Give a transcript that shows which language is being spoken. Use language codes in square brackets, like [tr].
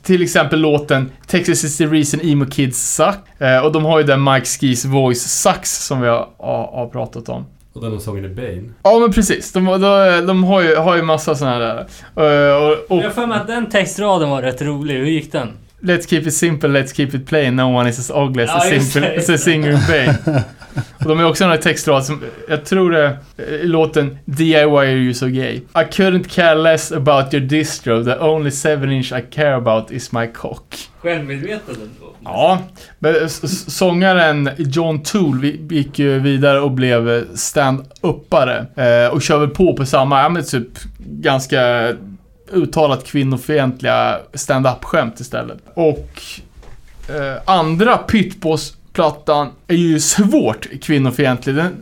[sv] Till exempel låten Texas is the reason emo kids suck. Och de har ju den Mike Skis voice sucks som vi har pratat om. Och den sången är Bane. Ja, men precis. De har ju massa såna här och jag får med att den textraden var rätt rolig. Hur gick den? [en] Let's keep it simple, let's keep it plain. No one is as ugly as a single pain. [sv] Och de har också några textrad som jag tror det är låten DIY are you so gay. [en] I couldn't care less about your distro. The only 7-inch I care about is my cock. [sv] Självmedveten då. Ja, men sångaren John Tool gick ju vidare och blev stand-uppare. Och kör väl på samma, ja, men typ ganska uttalat kvinnofientliga stand-up-skämt istället. Och andra Pit Boss-plattan är ju svårt kvinnofientlig.